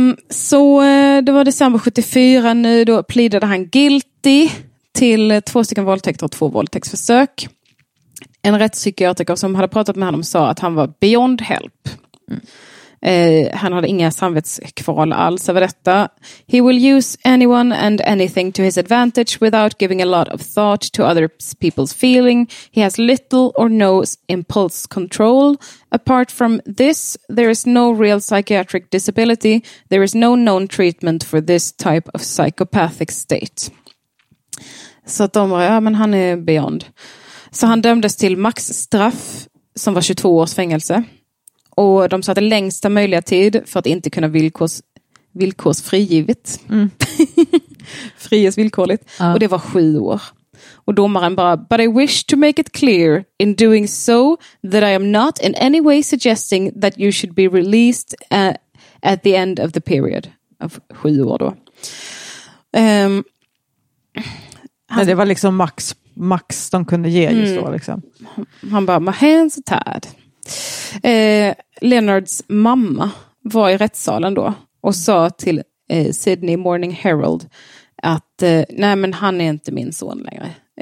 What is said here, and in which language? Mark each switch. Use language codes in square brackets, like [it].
[sv] Så det var december 74 nu. Då pleadade han guilty till 2 våldtäkter och 2 våldtäktsförsök. En rättspsykiatriker som hade pratat med honom sa att han var [en] beyond help. [sv] Han hade inga samvetskval alls över detta. [en] He will use anyone and anything to his advantage without giving a lot of thought to other people's feeling. He has little or no impulse control. Apart from this, there is no real psychiatric disability. There is no known treatment for this type of psychopathic state. [sv] Så de var, ja, men han är beyond. Så han dömdes till maxstraff som var 22 års fängelse. Och de satte längsta möjliga tid för att inte kunna villkors frigivet. Friges villkorligt. Och det var 7 år. Och domaren bara, [en] but I wish to make it clear in doing so that I am not in any way suggesting that you should be released at the end of the period. [sv] Av 7 år då. Men det var liksom max de kunde ge just då. Liksom. Han bara, [en] my hands are tied. [sv] Leonards mamma var i rättssalen då och sa till Sydney Morning Herald att nej, men han är inte min son längre.